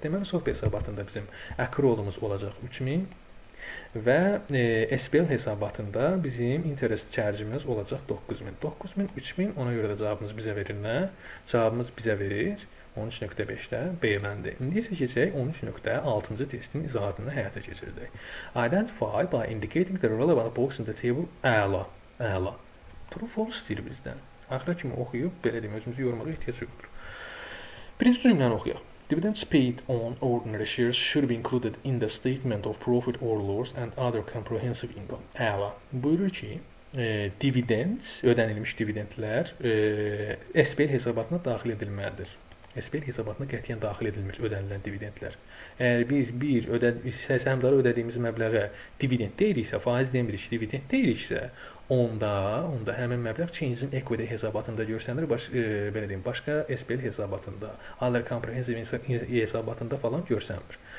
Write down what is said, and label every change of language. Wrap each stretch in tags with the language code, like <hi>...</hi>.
<az>Deməli soft hesabatında bizim accrualımız olacaq 3000 və SPL hesabatında bizim interest charge-imiz olacaq 9000. 9000, 3000 ona görə də cavabımız bizə verir nə? Cavabımız bizə verir 13.5-də B məndi. İndi isə keçək 13.6-cı testin izahatını həyata keçirdik.</az> <en>Identify by indicating the relevant box in the table.</en> <az>Əla. True false deyir bizdən. Axıra kimi oxuyub, belə deyim, özümüzü yormağa ehtiyac yoxdur. Birinci cümləni oxuyaq.</az> <en>Dividends paid on ordinary shares should be included in the statement of profit or loss and other comprehensive income.</en> <az>Əla. Buyurur ki, Ödənilmiş dividendlər SPL hesabatına daxil edilməlidir. SPL hesabatına qətiyyən daxil edilmir ödənilən dividendlər. Əgər biz bir səhmdara ödədiyimiz məbləğə dividend deyiriksə, faiz demirik ki, dividend deyiriksə, onda həmin məbləğ change in equity hesabatında görsənir, belə deyim, başqa SPL hesabatında, other comprehensive hesabatında falan görsənmir.</az>